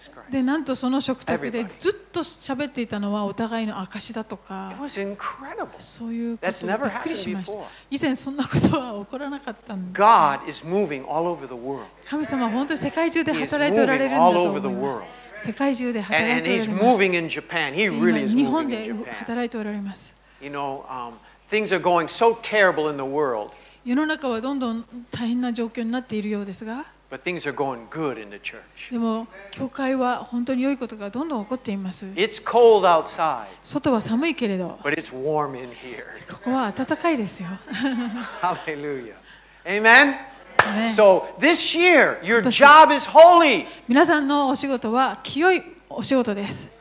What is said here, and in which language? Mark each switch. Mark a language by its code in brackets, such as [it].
[ja] でなんとその食卓でずっと喋っていたのはお互いの証だとか、そういうことびっくりしました。以前そんなことは起こらなかったんです。神様は本当に世界中で働いておられるんだと思います。世界中で働いておられます。で今日本で働いておられます。 [en] Things are going so terrible in the world. [ja] 世の中はどんどん大変な状況になっているようですが、 [en] But things are going good in the church. [ja] でも教会は本当に良いことがどんどん起こっています。 [en] It's cold outside. [ja] 外は寒いけれど、 [en] But it's warm in here. [ja] ここは暖かいですよ。 [en] Hallelujah. Amen. So this year, your job is holy. [ja] 皆さんのお仕事は清いお仕事です。